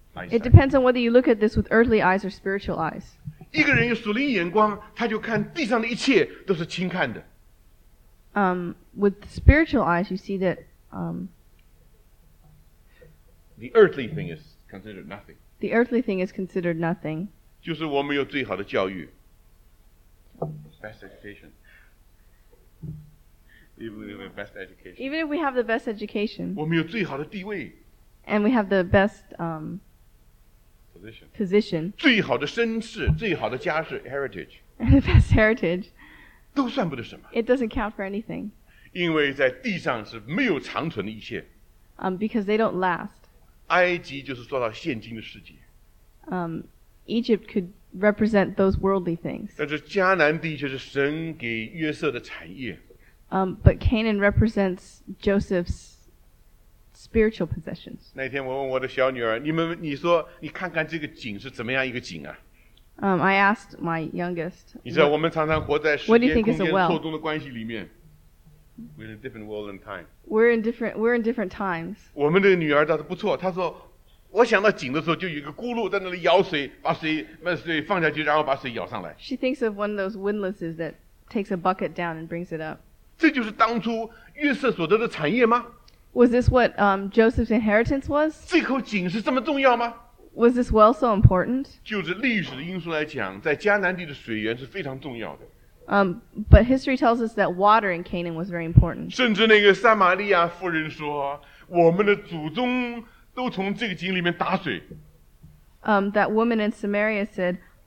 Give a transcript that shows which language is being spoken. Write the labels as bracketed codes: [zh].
[en] It depends on whether you look at this with earthly eyes or spiritual eyes. [zh] 一个人有属灵眼光，他就看地上的一切都是轻看的。 [en] With spiritual eyes, you see that the earthly thing is considered nothing. The earthly thing is considered nothing. [zh] 就是我们有最好的教育 ， [en] best education. Even if we have the best education, [zh] 我们有最好的地位 [en] ，and we have the best position, [zh] 最好的身世，最好的家世 ， [en] heritage, and the best heritage, [zh] 都算不得什么 [en] ，it doesn't count for anything. [zh] 因为在地上是没有长存的一切 [en] because they don't last. [zh] 埃及就是说到现今的世界 [en] Egypt could represent those worldly things. [zh] 但是迦南地却是神给约瑟的产业。 [en] But Canaan represents Joseph's spiritual possessions. [zh] 那天我问我的小女儿，你说你看看这个井是怎么样一个井啊？ [en] I asked my youngest. [zh] 你知道我们常常活在时间空间错综的关系里面。 [en] We're in a different world and time. We're in different times. [zh] 我们的女儿倒是不错，她说，我想到井的时候，就有一个咕噜在那里舀水，把水放下去，然后把水舀上来。 [en] She thinks of one of those windlasses that takes a bucket down and brings it up. [zh] 这就是当初约瑟所得的产业吗 [en] ？Was this what Joseph's inheritance was？ [zh] 这口井是这么重要吗 [en] ？Was this well so important？ [zh] 就是历史的因素来讲，在迦南地的水源是非常重要的。 [en] But history tells us that water in Canaan was very important。 [zh] 甚至那个撒玛利亚妇人说，我们的祖宗都从这个井里面打水。 [en] That woman in Samaria said,